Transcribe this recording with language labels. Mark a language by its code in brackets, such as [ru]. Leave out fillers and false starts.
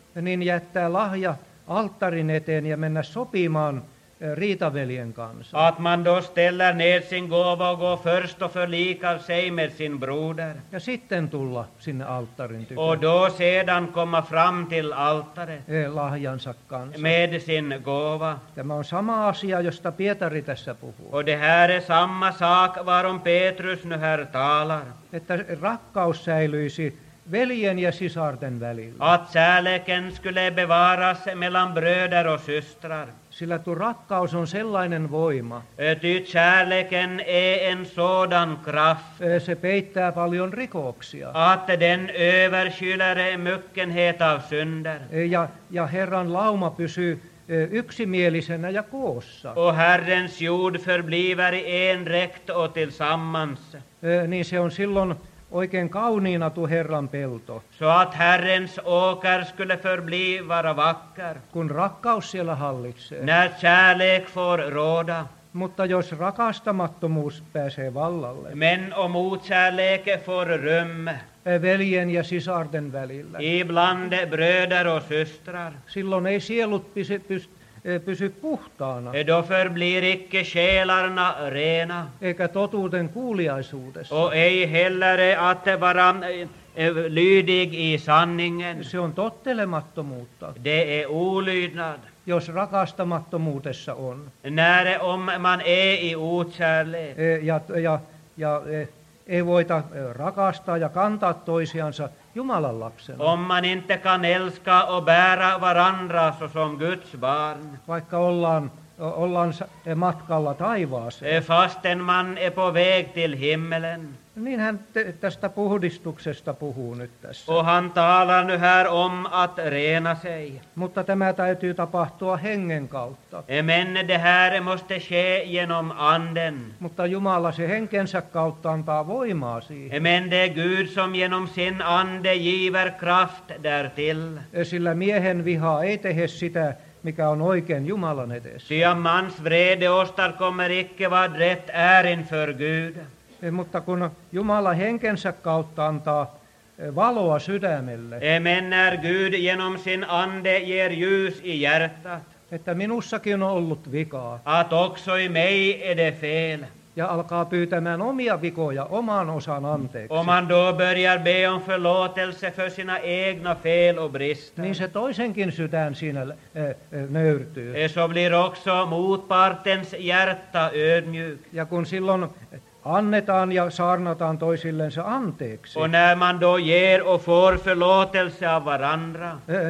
[fi] Niin jättää lahja alttarin eteen ja mennä sopimaan riitaveljen kanssa. [sv] Att man då ställer ner sin gåva och går först och förlikar sig med sin broder. [fi] Ja sitten tulla sinne alttarin tykö. [sv] Och då sedan komma fram till altaret. [fi] Lahjansa kanssa. [sv] Med sin gåva. [fi] Tämä on sama asia, josta Pietari tässä puhuu. [sv] Och det här är samma sak varom Petrus nu här talar. [fi] Että rakkaus säilyisi veljen ja sisarten välillä. [sv] Att kärleken skulle bevaras mellan bröder och systrar. [fi] Sillä tuo rakkaus on sellainen voima. [sv] Ty kärleken är en sådan kraft. [fi] Se peittää paljon rikoksia. [sv] Att den överskyler myckenhet av synder. [fi] Ja Herran lauma pysyy yksimielisenä ja koossa. [sv] Och Herrens jord förbliver enräkt och tillsammans. [fi] Niin se on silloin oikein kauniina tuo Herran pelto. [sv] Så att Herrens åker skulle förbli vara vacker. [fi] Kun rakkaus siellä hallitsee. [sv] När kärlek får råda. [fi] Mutta jos rakastamattomuus pääsee vallalle. [sv] Men om okärlek får rum. [fi] Veljen ja sisarten välillä. [sv] Ibland bröder och systrar. [fi] Silloin ei sielut pysy puhtaana. [sv] Då förblir icke själarna rena. [fi] Eikä totuuden kuuliaisuudessa. [sv] Och ei heller att vara lydig i sanningen. [fi] Se on tottelemattomuutta. [sv] Det är olydnad. [fi] Jos rakastamattomuudessa on. [sv] När om man är i otkärle. [fi] Ei voita rakastaa ja kantaa toisiansa Jumalan lapsena. [sv] Om man inte kan älska och bära varandra som Guds barn. [fi] Vaikka ollaan matkalla taivaaseen. [sv] Fasten man är på väg till himmelen. [fi] Niin hän tästä puhdistuksesta puhuu nyt tässä. [sv] Och han talar nu här om att rena sig. [fi] Mutta tämä täytyy tapahtua hengen kautta. [sv] Men det här måste ske genom anden. [fi] Mutta Jumala se henkensä kautta antaa voimaa siihen. [sv] Men det är Gud som genom sin ande giver kraft därtill. [fi] Sillä miehen viha ei tehe sitä, mikä on oikein Jumalan edessä. [sv] Ty mans vrede åstadkommer icke vad rätt är inför Gud. [fi] Mutta kun Jumala henkensä kautta antaa valoa sydämelle. [sv] Men när Gud genom sin ande ger ljus i hjärtat. [fi] Että minussakin on ollut vikaa. [sv] Att också i mig är det fel. [fi] Ja alkaa pyytämään omia vikoja oman osan anteeksi. [sv] Om man då börjar be om förlåtelse för sina egna fel och brister. [fi] Niin se toisenkin sydän siinä nöyrtyy. [sv] Så blir också motpartens hjärta ödmjuk. [fi] Ja kun silloin annetaan ja saarnataan toisillensa anteeksi. [sv] Och när man då ger och får förlåtelse av varandra.